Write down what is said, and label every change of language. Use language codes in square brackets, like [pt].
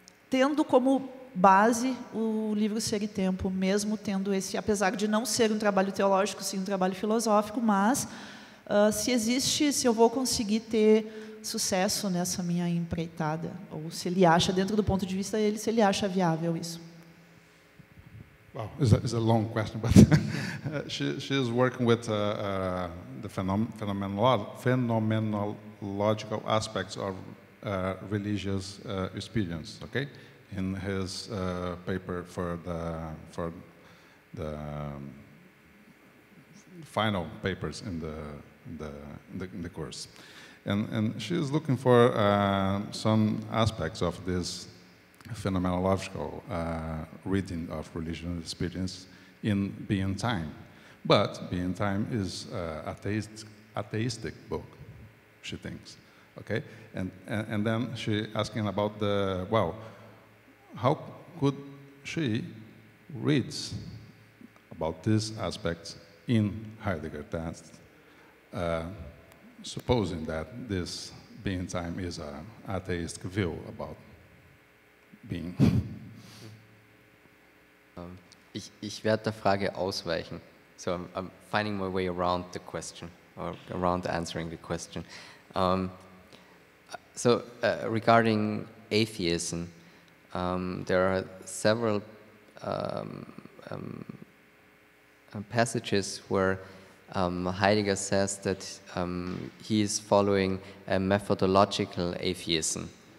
[pt] Tendo como base o livro Ser e Tempo, mesmo tendo esse, apesar de não ser um trabalho teológico, sim um trabalho filosófico, mas se eu vou conseguir ter sucesso nessa minha empreitada, ou se ele acha, dentro do ponto de vista dele, se ele acha viável isso. [en] Well, it's a long question, but she is working with the phenomenological aspects of religious experience, okay? In his paper for the final papers in the course, and she is looking for some aspects of this phenomenological reading of religious experience in Being Time, but Being Time is ateistic book, she thinks, okay? And then she asking about the, well, how could she read about these aspects in Heidegger text, supposing that this Being Time is an atheistic view about being. [de] Ich werde der Frage ausweichen. [en] So I'm finding my way around the question, or around answering the question. So regarding atheism, there are several passages where Heidegger says that he is following a methodological atheism.